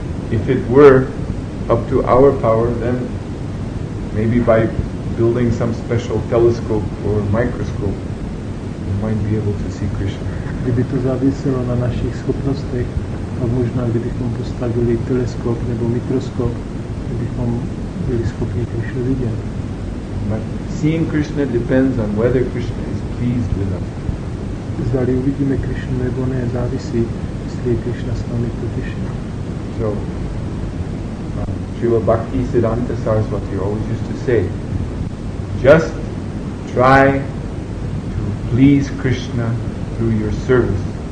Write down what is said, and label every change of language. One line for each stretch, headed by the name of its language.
English: If it were up to our power, then maybe by building some special telescope or microscope, we might be able to see Krishna.
Czech: Kdyby to záviselo na našich schopnostech, tak možná kdybychom postavili teleskop nebo mikroskop, kdybychom byli schopni Krishnu vidět.
English: But seeing Krishna depends on whether Krishna is pleased with us.
Czech: Zdali uvidíme Krishnu nebo ne, závisí, jestli je Krishna s námi potěšen.
English: So, Srila Bhakti Siddhanta Saraswati always used to say, just try to please Krishna through your service.